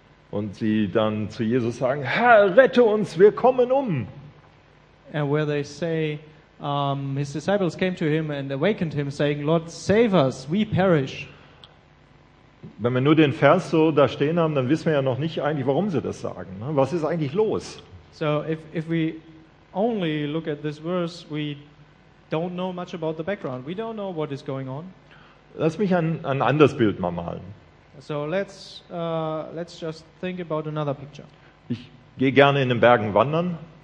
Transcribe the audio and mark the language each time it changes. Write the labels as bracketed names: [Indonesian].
[German] Und sie dann zu Jesus sagen, Herr, rette uns, wir kommen um. [English] And where they say, his disciples came to him and awakened him, saying, Lord, save us, we perish. [German] Wenn wir nur den Vers so da stehen haben, dann wissen wir ja noch nicht eigentlich, warum sie das sagen. Was ist eigentlich los? [English] So if we only look at this verse, we don't know much about the background. We don't know what is going on. [German] Lass mich ein anderes Bild mal malen. [English] So let's just think about another picture. [German] Ich gehe gerne in den Bergen wandern.